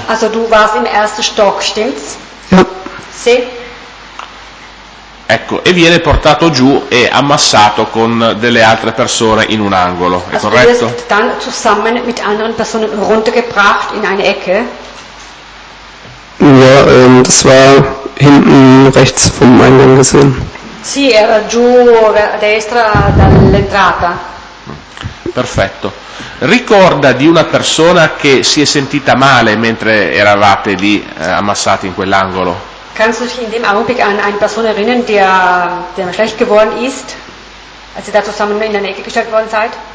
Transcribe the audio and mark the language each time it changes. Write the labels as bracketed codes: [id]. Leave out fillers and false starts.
[de] Also du warst im ersten Stock, stimmt's? [it] Sì. Ecco, e viene portato giù e ammassato con delle altre persone in un angolo, è also corretto? [de] Dann zusammen mit anderen Personen runtergebracht in eine Ecke. Ja, das war hinten rechts vom Eingang gesehen. [it] Sì, era giù a destra dall'entrata. Perfetto. Ricorda di una persona che si è sentita male mentre eravate lì ammassati in quell'angolo? [de] Kannst du dich in dem Augenblick an eine Person erinnern, der schlecht geworden ist, als ihr da zusammen in eine Ecke gestellt worden seid?